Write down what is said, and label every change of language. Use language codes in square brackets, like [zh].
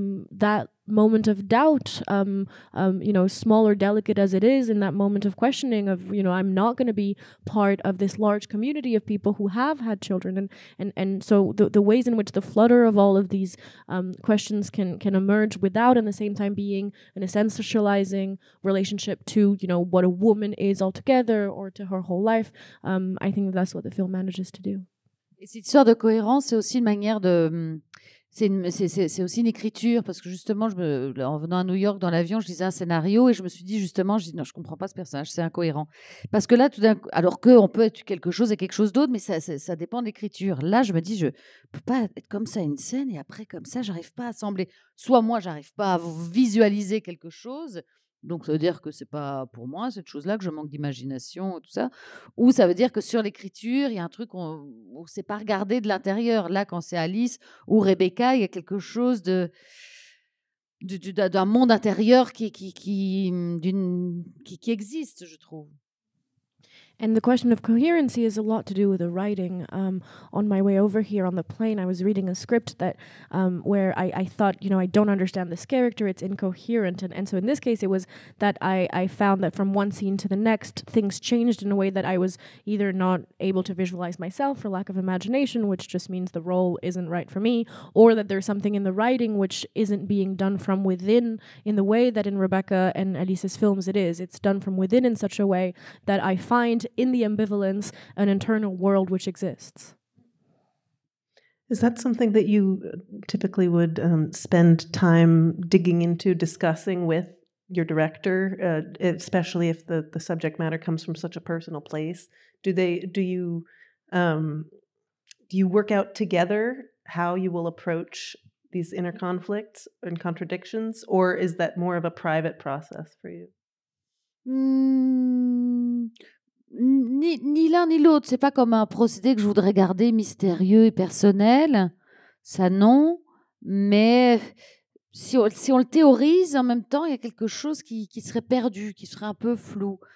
[en] that moment of doubt, you know, small or delicate as it is, in that moment of questioning of, you know, I'm not going to be part of this large community of people who have had children, and so the ways in which the flutter of all of these questions can emerge without, in the same time, being an essentializing relationship to, you know, what a woman is altogether or to her whole life. I think that's what the film manages to do. [fr] Cette histoire de cohérence, c'est aussi une manière de. C'est aussi une écriture, parce que justement, en venant à New York dans l'avion, je lisais un scénario et je me suis dit justement, je dis non, je comprends pas ce personnage, c'est incohérent. Parce que là, tout d'un coup, alors qu'on peut être quelque chose et quelque chose d'autre, mais ça dépend de l'écriture. Là, je me dis, je peux pas être comme ça une scène et après, comme ça, j'arrive pas à assembler. Soit moi, j'arrive pas à visualiser quelque chose. Donc, ça veut dire que ce n'est pas pour moi, cette chose-là, que je manque d'imagination, tout ça. Ou ça veut dire que sur l'écriture, il y a un truc où on ne sait pas regarder de l'intérieur. Là, quand c'est Alice ou Rebecca, il y a quelque chose d'un monde intérieur qui existe, je trouve. [en] And the question of coherency is a lot to do with the writing. On my way over here on the plane, I was reading a script that where I thought, you know, I don't understand this character, it's incoherent. And so in this case, it was that I found that from one scene to the next, things changed in a way that I was either not able to visualize myself for lack of imagination, which just means the role isn't right for me, or that there's something in the writing which isn't being done from within in the way that in Rebecca and Alice's films it is. It's done from within in such a way that I find in the ambivalence, an internal world which exists. Is that something that you typically would spend time digging into, discussing with your director, especially if the subject matter comes from such a personal place? Do you work out together how you will approach these inner conflicts and contradictions, or is that more of a private process for you? [fr] Ni l'un ni l'autre, c'est pas comme un procédé que je voudrais garder mystérieux et personnel, ça non, mais si on le théorise en même temps, il y a quelque chose qui serait perdu, qui serait un peu flou.